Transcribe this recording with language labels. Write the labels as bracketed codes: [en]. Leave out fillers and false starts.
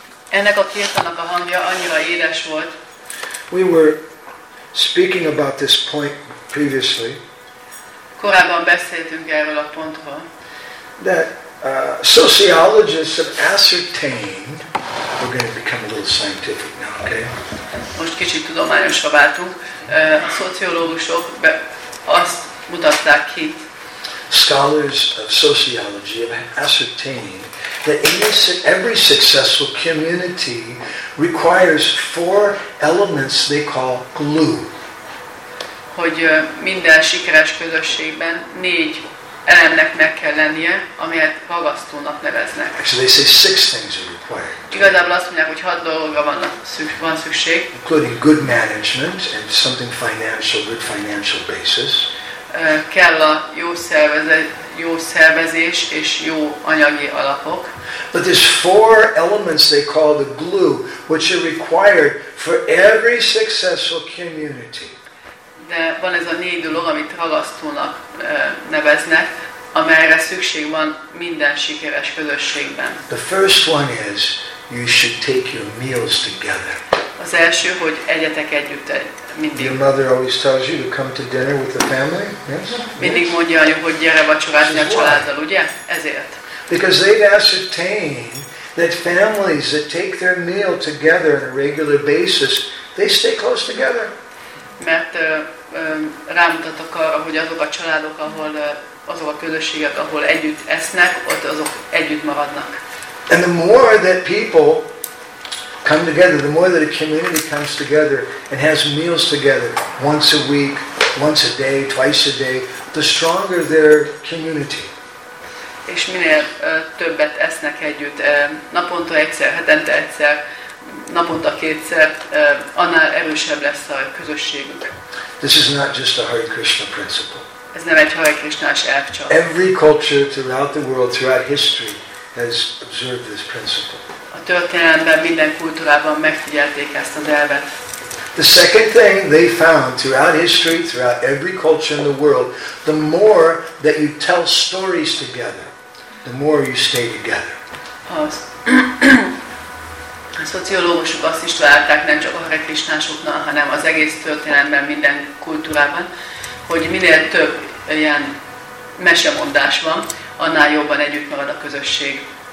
[hu] Ennek a kirtannak a hangja annyira édes volt. [en] We were speaking about this point previously. [hu] Korábban beszéltünk erről a pontról. [en] That sociologists have ascertained. We're going to become a little scientific now, okay? [hu] Most kicsit tudományosra váltunk. A szociológusok azt mutatták ki. [en] Scholars of sociology have ascertained that every successful community requires four elements they call glue. [hu] Hogy minden sikeres közösségben négy elemnek meg kell lennie, amelyet ragasztónak neveznek. [en] Actually, they say six things are required. [hu] Igazából azt mondják, hogy hat dologra van szükség. [en] Including good management and something financial, good financial basis. [hu] Kell a jó szervezés és jó anyagi alapok. [en] But there's four elements they call the glue, which are required for every successful community. [hu] De van ez a négy dolog, amit ragasztónak neveznek, amelyre szükség van minden sikeres közösségben. [en] The first one is you should take your meals together. [hu] Az első, hogy egyetek együtt mindig. [en] Your mother always tells you to come to dinner with the family. Yes. [hu] Mindig mondja anyu, hogy gyere vacsorázni a családdal, ugye? Ezért. [en] Because they've ascertained that families that take their meal together on a regular basis, they stay close together. [hu] Mert rámutattak arra, hogy azok a családok, ahol azok a közösségek, ahol együtt esznek, ott azok együtt maradnak. [en] And the more that people come together, the more that a community comes together and has meals together once a week, once a day, twice a day, the stronger their community. [hu] És minél többet esznek együtt, naponta egyszer, hetente egyszer, naponta kétszer, annál erősebb lesz a közösségük. [en] This is not just a Hare Krishna principle. [hu] Ez nem egy Hare Krishna-s elv csak. [en] Every culture throughout the world, throughout history has observed this principle. [hu] A történelemben minden kultúrában megfigyelték ezt az elvet. [en] The second thing they found throughout history, throughout every culture in the world, the more that you tell stories together, the more you stay together. [hu] A szociológusok azt is találták, nem csak a Hare Krisnásoknál, hanem az egész történelemben, minden kultúrában, hogy minél több ilyen mesemondás van, annál jobban együtt marad a közösség.